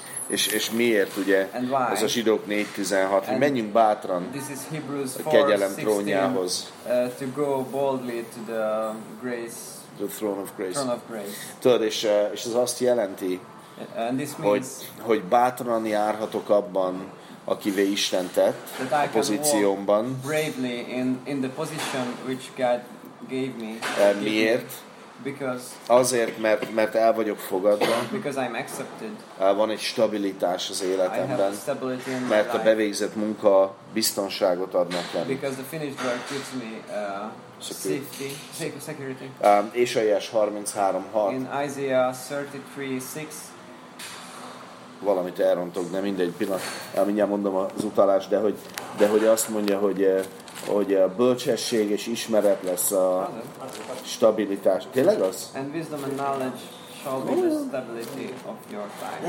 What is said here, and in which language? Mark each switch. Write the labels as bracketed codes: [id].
[hu] És miért, ugye, ez a zsidók 4.16, hogy menjünk bátran a kegyelem trónjához. [en] To go boldly to the grace, the throne of grace. Throne of grace. [hu] Tudod, és ez azt jelenti, [en] and this means, [hu] hogy bátran járhatok abban, akivé Isten tett a pozíciómban. [en] Bravely in the position which God gave me. [hu] Miért? [en] Because [hu] azért, mert el vagyok fogadva. [en] Because I'm accepted. [hu] Van egy stabilitás az életemben. [en] I have stability in my [hu] mert [en] life. [hu] A bevégzett munka biztonságot ad nekem. [en] Because the finished work gives me security. [hu] Ézsaiás 33:6. [en] In Isaiah 33:6. [hu] Valamit elrontok, de mindegy, pillanat. Mindjárt mondom az utalást, de hogy azt mondja, hogy a bölcsesség és ismeret lesz a stabilitás. Tényleg az? [en] And wisdom and knowledge shall be the stability of your time.